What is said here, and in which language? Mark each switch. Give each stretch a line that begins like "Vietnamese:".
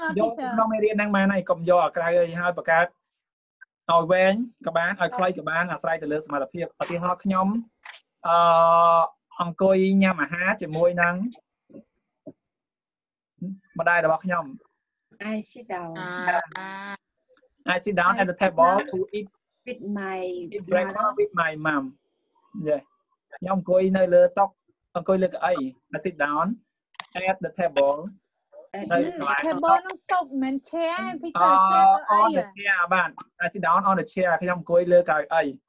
Khmer: អូទីចក្នុងមេរៀនហ្នឹងបានហើយកុំយកឲ្យក្រៅអីហើយបង្កើតឲ្យវែងក៏បានឲ្យខ្លីក៏បានអាស្រ័យទៅលើសមត្ថភាពឧទាហរណ៍ខ្ញុំអឺអង្គុយញ៉ាំអាហារជាមួយនឹងម្ដាយរបស់ខ្ញុំ
English: I sit down I sit down at the table to eat with my breakfast with my mom yeah
Khmer: ខ្ញុំអង្គុយនៅលើតុកអង្គុយលើកៅអី
English: I sit down at the table
Khmer: នៅក្បែរតុកនោះតុកមិន chair ពីខា
English: ង chair អី on the chair បាន I sit down on the chair
Khmer: ខ្ញុំអង្គុយលើកៅអី